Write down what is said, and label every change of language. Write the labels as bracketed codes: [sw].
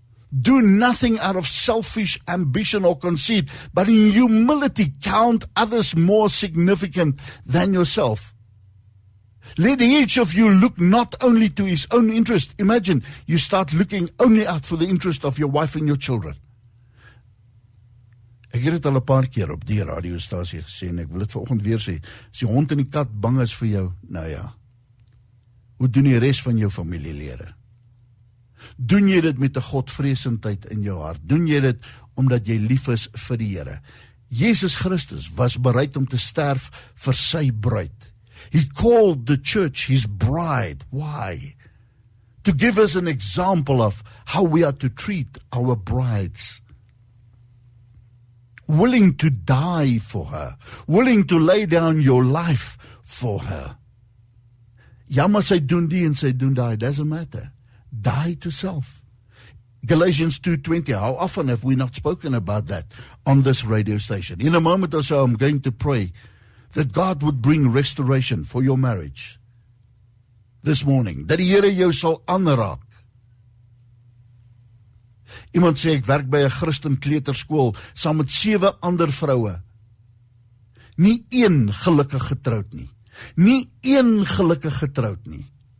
[en] Do nothing out of selfish ambition or conceit, but in humility count others more significant than yourself. Let each of you look not only to his own interest. Imagine you start looking only out for the interest of your wife and your children. [af] Ek het al 'n paar keer op die radiostasie gesê en ek wil dit vanoggend weer sê. As die hond en die kat bang is vir jou, nou ja. Hoe doen die res van jou familielede? Doen jy dit met 'n godvreesendheid in jou hart? Doen jy dit omdat jy lief is vir die Here? Jesus Christus was bereid om te sterf vir sy bruid. [en] He called the church his bride. Why? To give us an example of how we are to treat our brides. Willing to die for her. Willing to lay down your life for her. [af] Jammer sy doen die en sy doen die. [en] Doesn't matter. Die to self. Galatians 2:20. How often have we not spoken about that on this radio station? In a moment or so, I'm going to pray that God would bring restoration for your marriage this morning. [af] Dat die Here jou sal aanraak. Iemand sê, ek werk by 'n Christen kleuterskool saam met 7 ander vroue. Nie een gelukkig getroud nie. Nie een gelukkig getroud nie.